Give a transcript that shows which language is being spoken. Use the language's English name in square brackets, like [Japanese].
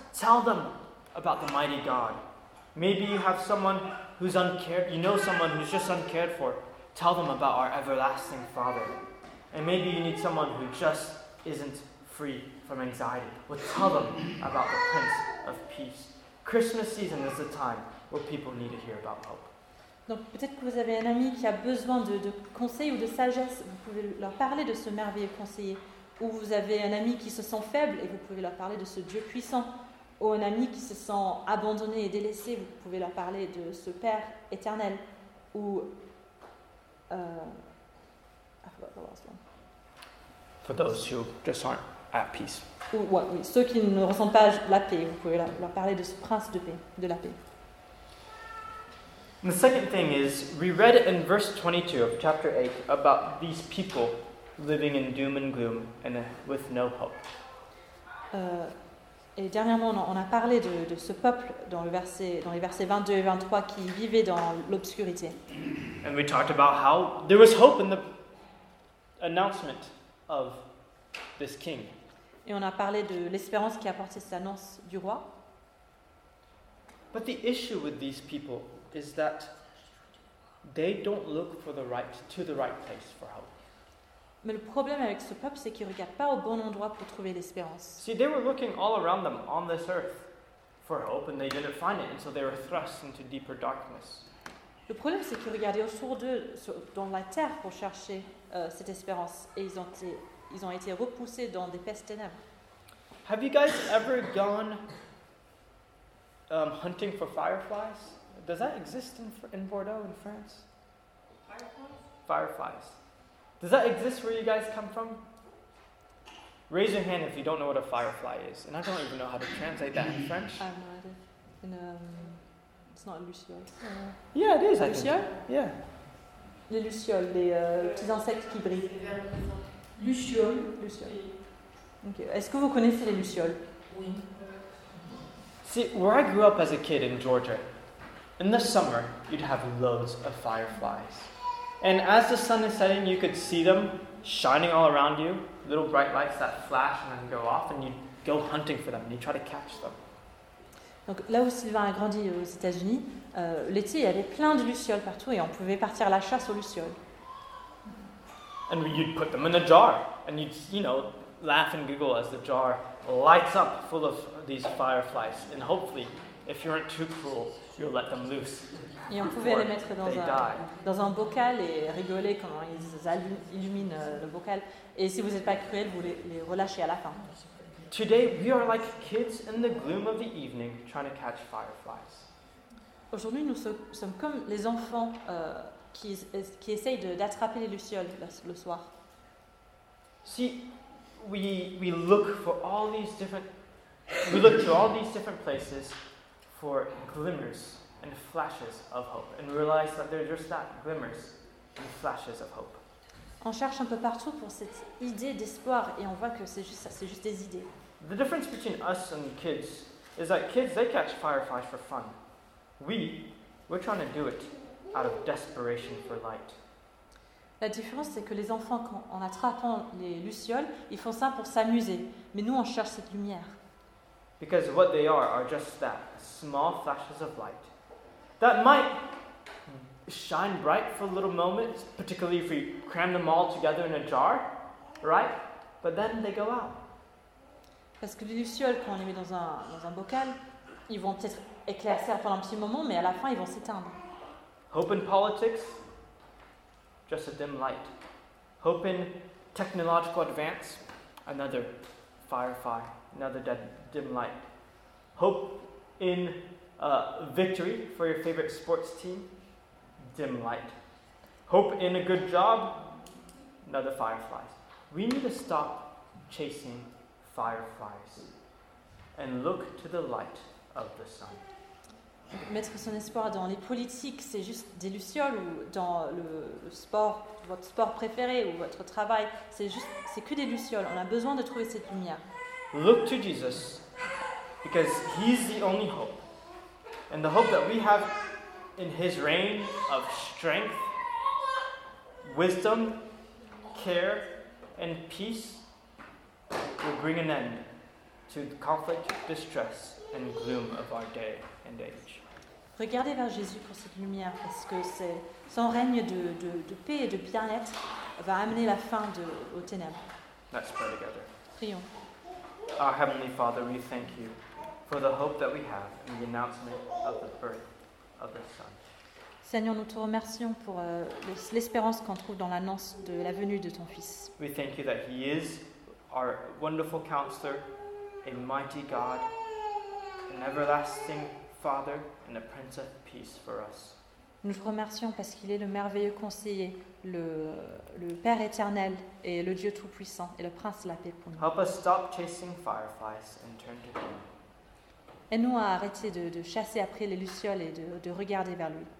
[English] Tell them about the mighty God. Maybe you have someone who's uncared, you know someone who's just uncared for. Tell them about our everlasting Father. And maybe you need someone who just isn't free from anxiety. Well, tell them about the Prince of Peace. Christmas season is the time where people need to hear about hope. [French] Donc peut-être que vous avez un ami qui a besoin de conseils ou de sagesse, vous pouvez leur parler de ce merveilleux conseiller. Ou vous avez un ami qui se sent faible et vous pouvez leur parler de ce Dieu puissant. Ou un ami qui se sent abandonné et délaissé, vous pouvez leur parler de ce Père éternel. Ou... [English] I forgot the last one. For those who just aren't at peace. [French] Ou, ouais, oui, ceux qui ne ressentent pas la paix, vous pouvez leur parler de ce prince de paix, de la paix. [English] And the second thing is, we read in verse 22 of chapter 8 about these people living in doom and gloom and with no hope. [French] Et dernièrement, on a parlé de ce peuple dans les versets 22 et 23 qui vivait dans l'obscurité. [English] And we talked about how there was hope in the announcement of this king. [French] Et on a parlé de l'espérance qui apportait cette annonce du roi. [English] But the issue with these people is that they don't look for the right to the right place for hope. [French] Mais le problème avec ce peuple, c'est qu'ils ne regardent pas au bon endroit pour trouver l'espérance. [English] See, they were looking all around them on this earth for hope, and they didn't find it, and so they were thrust into deeper darkness. [French] Le problème, c'est qu'ils regardaient autour d'eux, dans la terre, pour chercher cette espérance, et ils ont été ils ont été repoussés dans des pestes ténèbres. [English] Have you guys ever gone hunting for fireflies? Does that exist in Bordeaux, in France? Fireflies? Fireflies. Does that exist where you guys come from? Raise your hand if you don't know what a firefly is. And I don't even know how to translate that in French. I have no idea. In, it's not a luciole. Yeah, it is, I [French] luciole? [English] Think. Yeah. [French] Les lucioles, les petits insectes qui brillent. Luciole. Luciole. Okay. Est-ce que vous connaissez les lucioles? Oui. [English] See, where I grew up as a kid in Georgia, in the summer, you'd have loads of fireflies. And as the sun is setting, you could see them shining all around you, little bright lights that flash and then go off, and you go hunting for them, and you try to catch them. [French] Donc là où Sylvain a grandi aux États-Unis, l'été, il y avait plein de lucioles partout, et on pouvait partir à la chasse aux lucioles. [English] And you'd put them in a jar, and you'd, you know, laugh and giggle as the jar lights up full of these fireflies, and hopefully, if you weren't too cruel, you'll let them loose. [French] Et on pouvait les mettre dans un bocal et rigoler quand ils illuminent le bocal. Et si vous n'êtes pas cruel, vous les relâchez à la fin. [English] Today we are like kids in the gloom of the evening trying to catch fireflies. [French] Aujourd'hui nous sommes comme les enfants qui essayent d'attraper les lucioles le soir. [English] See, we look for all these different, we look to all these different places for glimmers and flashes of hope, and realize that they're just that, glimmers and flashes of hope. [French] On cherche un peu partout pour cette idée d'espoir, et on voit que c'est juste ça, c'est juste des idées. [English] The difference between us and kids is that kids, they catch fireflies for fun. We're trying to do it out of desperation for light. [French] La différence, c'est que les enfants, quand, en attrapant les lucioles, ils font ça pour s'amuser, mais nous, on cherche cette lumière. [English] Because what they are just that, small flashes of light. That might shine bright for a little moment, particularly if we cram them all together in a jar, right? But then they go out. [French] Parce que les lucioles, quand on les met dans un bocal, ils vont peut-être éclaircir pendant un petit moment, mais à la fin, ils vont s'éteindre. [English] Hope in politics, just a dim light. Hope in technological advance, another firefly, another dim light. Hope in victory for your favorite sports team, dim light. Hope in a good job, another firefly. We need to stop chasing fireflies and look to the light of the sun. [French] Mettre son espoir dans les politiques, c'est juste des lucioles, ou dans le sport, votre sport préféré ou votre travail, c'est que des lucioles. On a besoin de trouver cette lumière. [English] Look to Jesus, because he's the only hope. And the hope that we have in his reign of strength, wisdom, care, and peace will bring an end to the conflict, distress, and gloom of our day and age. [French] Regardez vers Jésus pour cette lumière, parce que c'est son règne de paix et de bien-être va amener la fin aux ténèbres. [English] Let's pray together. [French] Prions. [English] Our Heavenly Father, we thank you for the hope that we have in the announcement of the birth of the Son. [French] Seigneur, nous te remercions pour l'espérance qu'on trouve dans l'annonce de la venue de ton Fils. [English] We thank you that he is our wonderful counselor, a mighty God, an everlasting Father, and a Prince of Peace for us. [French] Nous te remercions parce qu'il est le merveilleux conseiller, le Père éternel et le Dieu tout-puissant et le Prince de la paix pour nous. [English] Help us stop chasing fireflies and turn to him. [French] Aide-nous à arrêter de chasser après les lucioles et de regarder vers lui.